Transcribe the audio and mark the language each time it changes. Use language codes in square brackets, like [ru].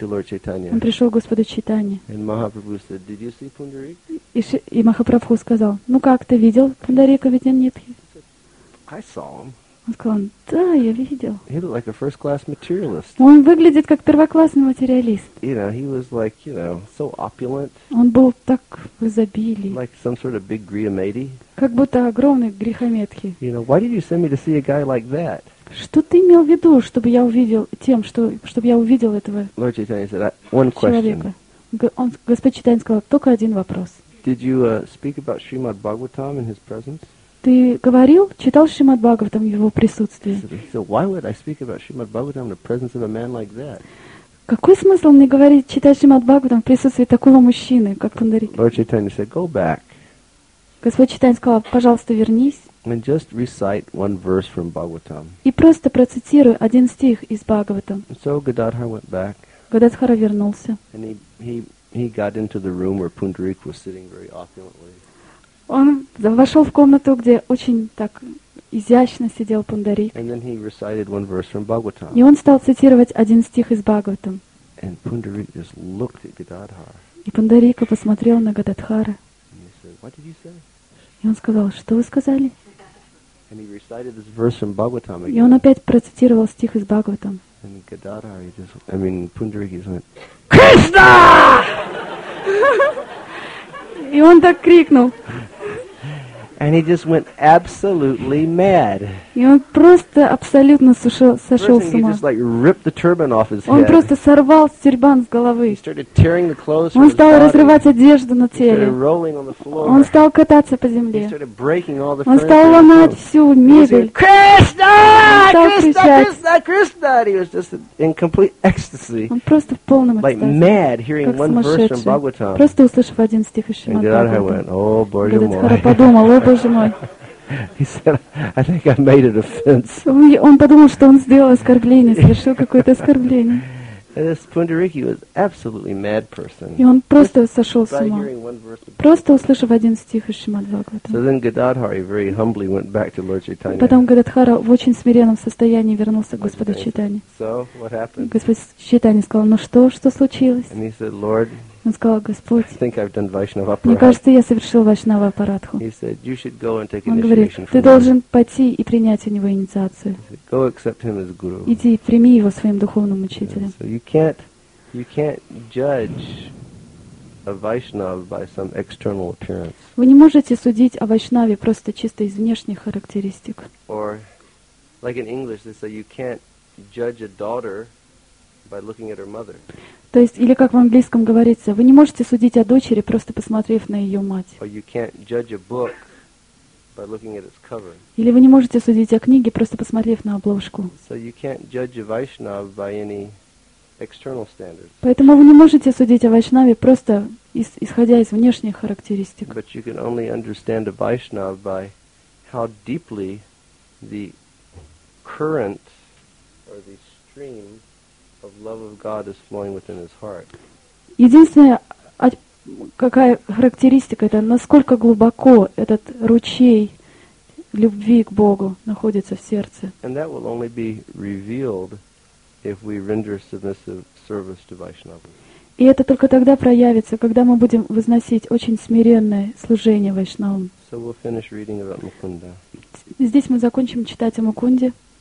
[ru] Он пришел к Господу Чайтанье. И Махапрабху сказал, ну как, ты видел Пундарика Видьянидхи? Он сказал, да, я видел. [en] He looked like a first-class materialist. [ru] Он выглядит как первоклассный материалист. [en] You know, he was like, you know, so opulent. [ru] Он был так в изобилии. [en] Like some sort of big Grihamedi. [ru] Как будто огромный Грихаметхи. [en] You know, why did you send me to see a guy like that? [ru] Что ты имел в виду, чтобы я увидел тем, что, чтобы я увидел этого [en] Lord Chaitanya said, one [ru] человека? [en] Question. [ru] Господь Чайтанья сказал, только один вопрос. [en] Did you speak about Srimad Bhagavatam in his presence? [ru] Ты говорил, читал Шримад Бхагаватам в его присутствии? [en] So why would I speak about Shrimad Bhagavatam in the presence of a man like that? [ru] Какой смысл мне говорить, читать Шримад Бхагаватам в присутствии такого мужчины, как Пундарик? [en] Lord Chaitanya said, go back. [ru] Господь Чайтанья сказал, пожалуйста, вернись. [en] And just recite one verse from Bhagavatam. [ru] И просто процитируй один стих из Бхагаватам. [en] So Gadadhara went back. [ru] Гададхара вернулся. [en] And he got into the room where Pundarik was sitting very opulently. [ru] Он вошел в комнату, где очень так изящно сидел Пундарик. [en] And then he recited one verse from Bhagavatam. [ru] И он стал цитировать один стих из Бхагаватам. [en] And Pundarik just looked at Gadadhara. [ru] И Пундарика посмотрел на Гададхара. [en] And he said, "What did you say?" [ru] И он сказал, что вы сказали? [en] And he recited this verse from Bhagavatam again. [ru] И он опять процитировал стих из Бхагаватам. [en] And Gadadhara, Pundarik just went, "Krishna!" [ru] И он так крикнул. [en] And he just went absolutely mad. [ru] И он просто абсолютно сошел с ума. [en] He just like ripped the turban off his head. [ru] Он просто сорвал тюрбан с головы. [en] He started tearing the clothes. [ru] Он стал разрывать одежду на теле. [en] He started rolling on the floor. [ru] Он стал кататься по земле. [en] He started breaking all the furniture. [ru] Он стал ломать всю мебель. [en] Krishna! Krishna! Krishna! Krishna! He was just in complete ecstasy. [ru] Он просто в полном экстазе. [en] Like mad, hearing one verse from Bhagavatam. [ru] Просто услышав один стих из Шримад Бхагаватам. [en] And went, oh, [ru] Боже мой. [en] Гададхара [ru] подумал. О, Боже мой. [en] He said, I think I made an offense. [ru] Он подумал, что он сделал оскорбление, совершил какое-то оскорбление. [en] This Pundariki was absolutely mad person. [ru] И он просто сошел с ума. Просто услышав один стих из Шримад Бхагаватам. [en] So then Gadadhara very humbly went back to Lord Chaitanya. [ru] Потом Гададхара в очень смиренном состоянии вернулся к Господу Чайтанье. [en] So what happened? [ru] Господь Чайтанья сказал, ну что, что случилось? [en] And he said, Lord, [ru] он сказал, Господь, [en] I think I've done Vaishnava. [ru] Мне кажется, я совершил Вайшнава Апарадху. [en] He said, you should go and take [ru] Он говорит, ты должен пойти и принять у него инициацию. [en] Said, go accept him as guru. [ru] Иди, прими его своим духовным учителем. [en] Yeah, so you can't You can't judge a Vaishnava by some external appearance. [ru] Вы не можете судить о Вайшнаве просто чисто из внешних характеристик. [en] Or, like in English, they say you can't judge a daughter by looking at her mother. [ru] То есть, или как в английском говорится, вы не можете судить о дочери, просто посмотрев на ее мать. [en] Or you can't judge a book by looking at its cover. [ru] Или вы не можете судить о книге, просто посмотрев на обложку. [en] So you can't judge a Vaishnava by any external standards. [ru] Поэтому вы не можете судить о Вайшнаве просто исходя из внешних характеристик. [en] But you can only understand a Vaishnava by how deeply the current or the stream of love of God is flowing within his heart. [ru] Единственная какая характеристика это насколько глубоко этот ручей любви к Богу находится в сердце. [en] And that will only be revealed if we render submissive service to Vaishnava. [ru] И это только тогда проявится, когда мы будем возносить очень смиренное служение Вайшнавам. [en] So we'll finish reading about Mukunda. [ru] Здесь мы закончим читать о Мукунде.